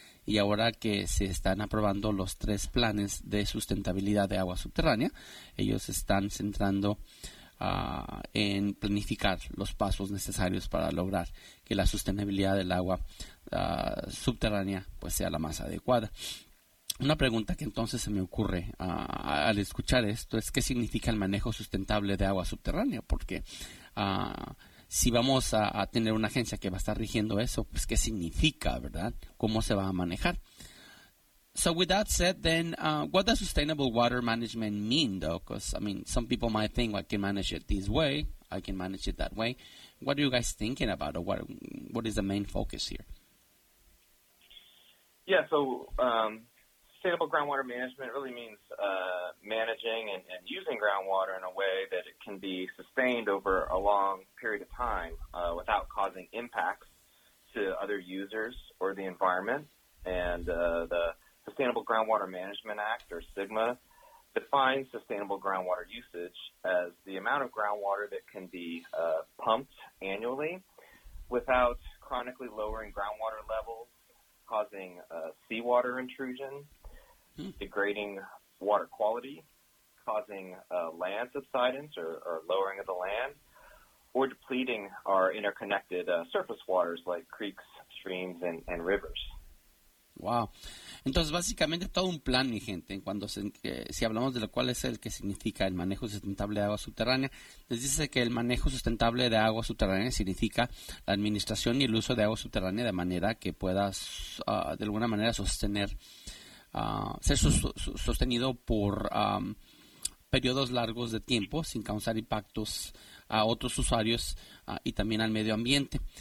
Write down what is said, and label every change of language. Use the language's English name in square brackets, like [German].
[Spanish] Y ahora que se están aprobando los tres planes de sustentabilidad de agua subterránea, ellos están centrando en planificar los pasos necesarios para lograr que la sostenibilidad del agua subterránea pues sea la más adecuada. Una pregunta que entonces se me ocurre al escuchar esto es, ¿qué significa el manejo sustentable de agua subterránea? Porque si vamos a tener una agencia que va a estar rigiendo eso, pues ¿qué significa, verdad? ¿Cómo se va a manejar? [English] So with that said, then, what does sustainable water management mean, though? Because, I mean, some people might think, well, I can manage it this way, I can manage it that way. What are you guys thinking about, or what is the main focus here? Yeah, so sustainable groundwater management really means managing and using groundwater in a way that it can be sustained over a long period of time without causing impacts to other users or the environment. And the Sustainable Groundwater Management Act, or SGMA, defines sustainable groundwater usage as the amount of groundwater that can be pumped annually without chronically lowering groundwater levels, causing seawater intrusion, degrading water quality, causing land subsidence or lowering of the land, or depleting our interconnected surface waters like creeks, streams, and rivers. Wow. [Spanish] Entonces, básicamente, todo un plan, mi gente, cuando si hablamos de lo cual es el que significa el manejo sustentable de agua subterránea, les dice que el manejo sustentable de agua subterránea significa la administración y el uso de agua subterránea de manera que pueda, de alguna manera, sostener, ser sostenido por periodos largos de tiempo sin causar impactos a otros usuarios y también al medio ambiente.